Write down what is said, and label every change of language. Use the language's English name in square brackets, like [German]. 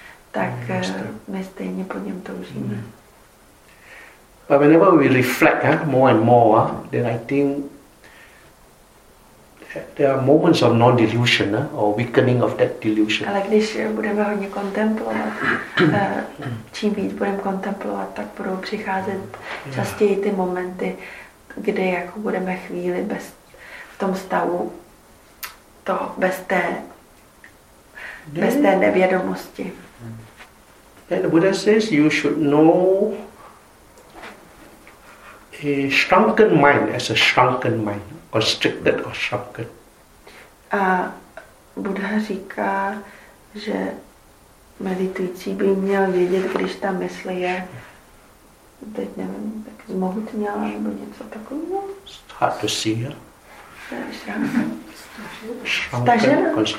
[Czech] tak my stejně po něm toužíme. [English] But whenever we reflect more and more, then I think there are moments of non-delusion or weakening of that delusion. [Czech] Ale když budeme hodně kontemplovat, čím víc budeme kontemplovat, tak budou přicházet častěji ty momenty, kdy jako budeme chvíli bez v tom stavu to bez té nevědomosti. [English] Then the Buddha says you should know a shrunken mind as a shrunken mind. Constricted or shrunken. [Czech] A Buddha říká, že meditující by měl vědět, když ta mysl je, teď nevím, tak zmohutněla nebo něco takového. [English] Hard to see, yeah? [Czech] Stažena.